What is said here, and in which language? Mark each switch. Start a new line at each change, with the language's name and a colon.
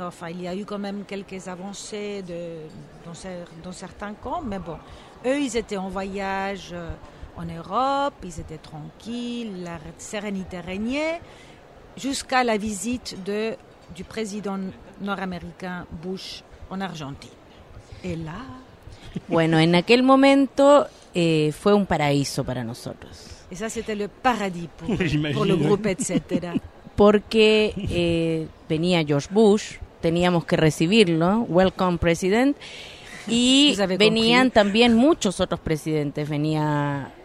French: Enfin, il y a eu quand même quelques avancées dans certains camps, mais bon, eux, ils étaient en voyage en Europe, ils étaient tranquilles, la sérénité régnait. Jusqu'à la visite du président nord-américain Bush en Argentine. Et là...
Spanish: Bueno, en aquel momento fue un paraíso para nosotros.
French: Et ça, c'était le paradis pour le groupe, etc.
Spanish: Porque venía George Bush, teníamos que recibirlo,
English: welcome president,
Spanish: y venían también muchos otros presidentes, venía...